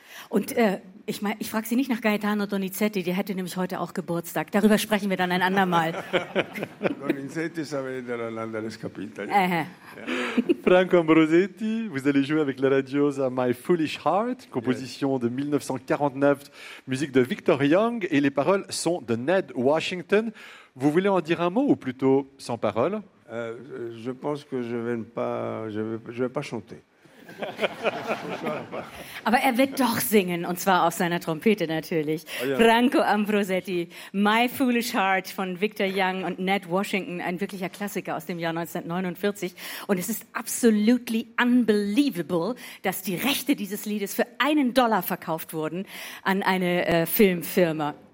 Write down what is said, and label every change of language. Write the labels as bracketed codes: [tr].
[de] Und ich frage Sie nicht nach Gaetano Donizetti, der hätte nämlich heute auch Geburtstag. Darüber sprechen wir dann ein andermal. Donizetti ist aber wieder ein anderes Kapitel. [fr] Franco Ambrosetti, vous allez jouer avec la radiosa My Foolish Heart, composition de 1949, musique de Victor Young, et les paroles sont de Ned Washington. Vous voulez en dire un mot, ou plutôt sans paroles? Je pense que je vais pas chanter. [de] Aber er wird doch singen, und zwar auf seiner Trompete natürlich. Franco Ambrosetti, My Foolish Heart von Victor Young und Ned Washington, ein wirklicher Klassiker aus dem Jahr 1949. Und es ist [en] absolutely unbelievable, [de] dass die Rechte dieses Liedes für $1 verkauft wurden an eine Filmfirma.